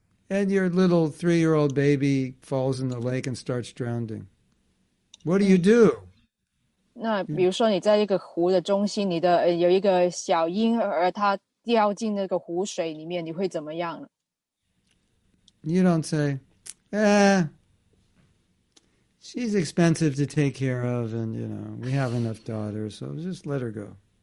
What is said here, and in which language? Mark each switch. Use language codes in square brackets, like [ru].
[en] And your little three-year-old baby falls in the lake and starts drowning. What do you do? [zh] 那比如说你在一个湖的中心，你的有一个小婴儿，他掉进那个湖水里面，你会怎么样？ [en] You don't say, she's expensive to take care of, and you know we have enough daughters, so just let her go.